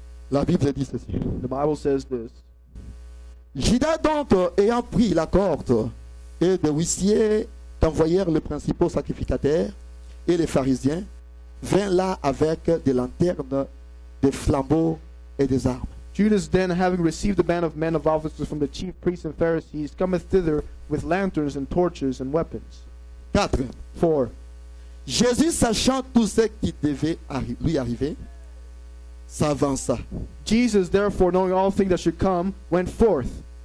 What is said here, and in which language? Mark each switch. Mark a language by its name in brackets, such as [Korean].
[French] La Bible dit ceci. [English] The Bible says this. [French] Judas donc ayant pris la corde et des huissiers envoyèrent les principaux sacrificateurs et les pharisiens vinrent là avec des lanternes, des flambeaux et des armes. [English] Judas then, having received a band of men of officers from the chief priests and Pharisees, cometh thither with lanterns and torches and weapons. 4. [French] Jésus, sachant tout ce qui devait lui arriver, s'avança. [English] Jesus, therefore, knowing all things that should come, went forth.